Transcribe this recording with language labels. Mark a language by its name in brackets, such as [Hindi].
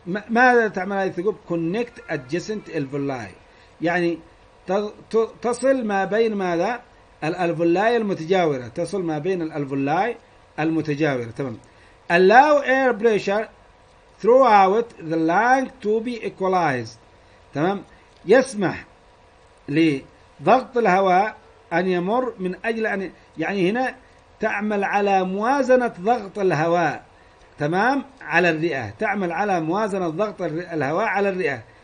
[Arabic] ماذا تعمل هذه الثقوب؟ كونكت ادجسنت الفولاي، يعني تصل ما بين ماذا؟ الالفولاي المتجاوره، تصل ما بين الالفولاي المتجاوره. [English] تمام، allow air pressure throughout the lung to be equalized. [Arabic] تمام، يسمح لضغط الهواء ان يمر من اجل ان، يعني هنا تعمل على موازنه ضغط الهواء، تمام، على الرئه، تعمل على موازنه ضغط الهواء على الرئه.